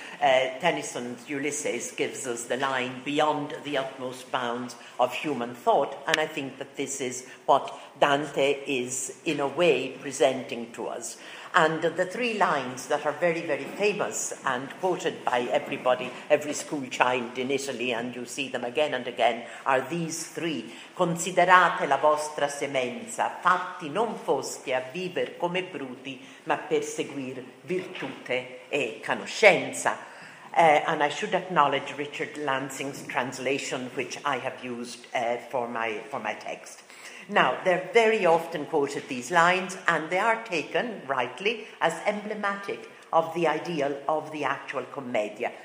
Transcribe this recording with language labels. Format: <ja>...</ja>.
<en>Tennyson's Ulysses gives us the line, beyond the utmost bounds of human thought, and I think that this is what Dante is, in a way, presenting to us. And the three lines that are very, very famous and quoted by everybody, every school child in Italy, and you see them again and again, are these three.</en> <it>Considerate la vostra semenza, fatti non fosti a viver come bruti, ma per seguir virtute e conoscenza.</it> <en>And I should acknowledge Richard Lansing's translation, which I have used for my text. Now, they're very often quoted, these lines, and they are taken, rightly, as emblematic of the ideal of the actual Commedia.</en>